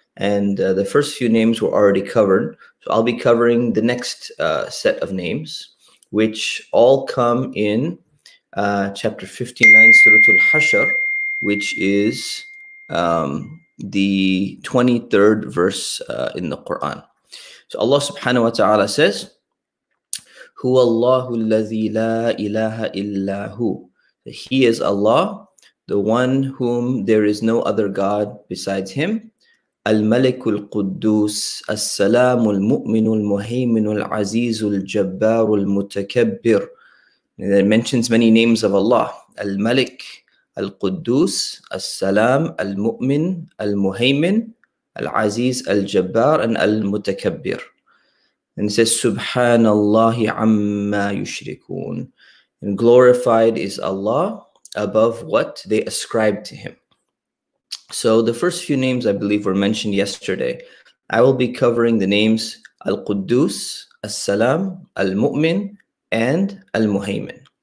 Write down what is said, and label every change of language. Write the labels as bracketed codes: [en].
[en] And the first few names were already covered. So I'll be covering the next set of names, which all come in chapter 59, Surah Al-Hashr, which is the 23rd verse in the Quran. So Allah subhanahu wa ta'ala says, [ar] هُوَ اللَّهُ الَّذِي لَا إِلَهَ إِلَّا هُوَ. [en] He is Allah, the one whom there is no other God besides Him. [ar] الملك القدوس السلام المؤمن المهيمن العزيز الجبار المتكبر. [en] It mentions many names of Allah. [ar] الملك القدوس السلام المؤمن المهيمن العزيز الجبار المتكبر. [en] And it says [ar] سبحان الله عما يشركون. [en] And glorified is Allah above what they ascribe to Him. So the first few names, I believe, were mentioned yesterday. I will be covering the names Al-Quddus, As-Salam, Al-Mumin, and Al-Muhaymin.